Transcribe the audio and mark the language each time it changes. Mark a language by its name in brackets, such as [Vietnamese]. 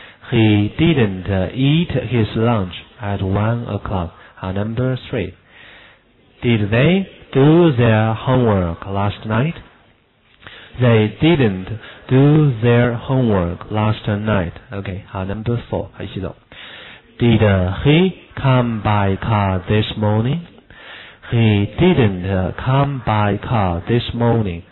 [English] He didn't eat his lunch at 1:00. [Chinese] 好， [English] number 3. Did they do their homework last night? They didn't do their homework last night. [Chinese] OK, 好， [English] number 4, [Chinese] 一起走。 [English] Did he come by car this morning? He didn't come by car this morning.